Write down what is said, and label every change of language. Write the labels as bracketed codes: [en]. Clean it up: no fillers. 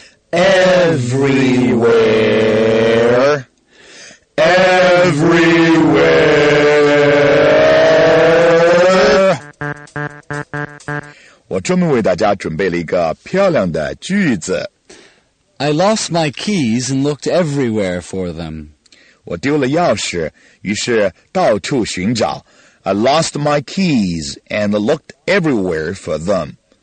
[en] Everywhere. Everywhere. [zh] 我专门为大家准备了一个漂亮的句子。 [en] I lost my keys and looked everywhere for them. [zh] 我丢了钥匙，于是到处寻找。 [en] I lost my keys and looked everywhere for them.